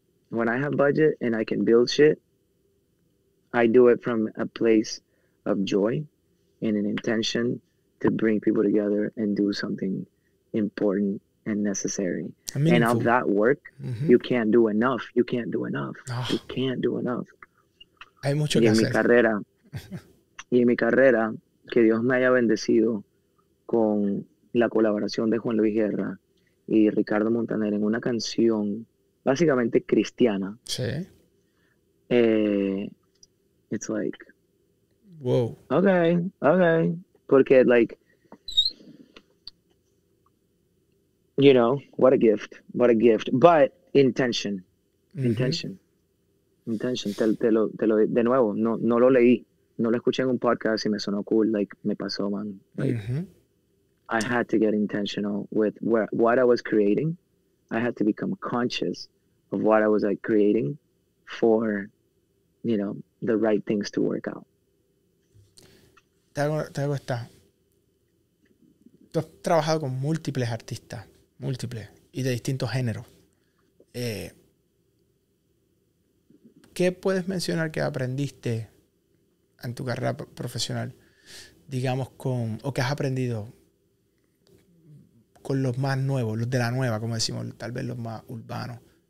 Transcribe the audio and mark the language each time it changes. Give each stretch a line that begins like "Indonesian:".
English: When I have budget and I can build shit, I do it from a place of joy and an intention to bring people together and do something important and necessary. Meaningful. And of that work, you can't do enough. You can't do enough. Oh. You can't do enough.
Spanish: Hay mucho y que en hacer. Mi carrera, y en mi carrera, que Dios me haya bendecido con la colaboración de Juan Luis Guerra y Ricardo Montaner en una canción básicamente cristiana. Sí.
English: It's like, whoa. Okay.
Spanish: Porque,
English: like, you know, what a gift. But intention. Mm-hmm. Intention.
Spanish: Te lo, de nuevo, no lo leí. No lo escuché en un podcast y me sonó cool. Like, me pasó, man.
English: Like, I had to get intentional with what I was creating. I had to become conscious of what I was, like, creating for, you know, the right things to work out.
Spanish: Te hago esta. Tú has trabajado con múltiples artistas, múltiples, y de distintos géneros. ¿Qué puedes mencionar que aprendiste en tu carrera profesional, digamos, con, o que has aprendido con los más nuevos, los de la nueva, como decimos, tal vez los más urbanos?